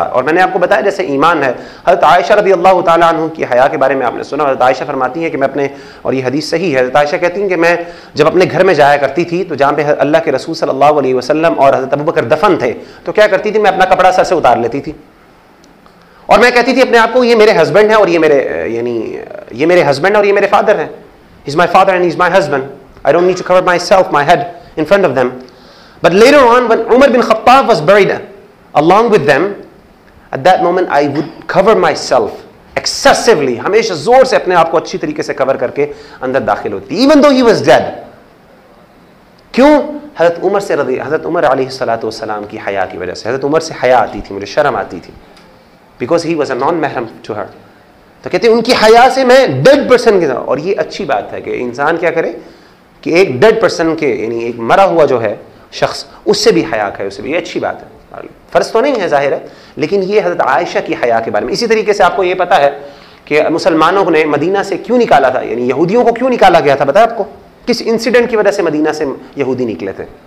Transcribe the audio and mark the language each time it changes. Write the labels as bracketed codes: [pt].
[ur] اور میں نے آپ کو بتایا جیسے ایمان ہے، حضرت عائشہ رضی اللہ تعالیٰ عنہ کی حیا کے بارے میں آپ نے سنا، حضرت عائشہ فرماتی ہیں کہ میں اپنے، اور یہ حدیث صحیح ہے، حضرت عائشہ کہتی ہیں کہ میں جب اپنے گھر میں جایا کرتی تھی تو جہاں پہ اللہ کے رسول صلی اللہ علیہ وسلم اور حضرت ابوبکر دفن تھے، تو کیا کرتی تھی، میں اپنا کپڑا سر سے اتار لیتی تھی اور میں کہتی تھی اپنے آپ کو، یہ میرے ہسبینڈ ہیں اور یہ میرے، یعنی یہ میرے ہسبینڈ اور یہ میرے فادر ہیں، [en] He is my father and he is my husband, I don't need to cover myself my head in front of them. But later on, when Umar bin Khattab was buried along with them, at that moment I would cover myself excessively. [ur] ہمیشہ زور سے اپنے آپ کو اچھی طریقے سے کور کر کے اندر داخل ہوتی، [en] even though he was dead. [ur] کیوں؟ حضرت عمر سے رضی، حضرت عمر علیہ الصلاۃ والسلام کی حیا کی وجہ سے، حضرت عمر سے حیا آتی تھی، مجھے شرم آتی تھی، [en] because he was a non-mahram to her. [ur] تو کہتے ہیں ان کی حیا سے میں ڈیڈ پرسن کی طرح، اور یہ اچھی بات ہے کہ انسان کیا کرے کہ ایک ڈیڈ پرسن کے، یعنی ایک مرا ہوا جو ہے شخص، اس سے بھی حیا ہے، اس سے بھی اچھی بات ہے، فرض تو نہیں ہے ظاہر ہے، لیکن یہ حضرت عائشہ کی حیا کے بارے میں. اسی طریقے سے آپ کو یہ پتا ہے کہ مسلمانوں نے مدینہ سے کیوں نکالا تھا، یعنی یہودیوں کو کیوں نکالا گیا تھا، بتایا آپ کو کس انسیڈنٹ کی وجہ سے مدینہ سے یہودی نکلے تھے؟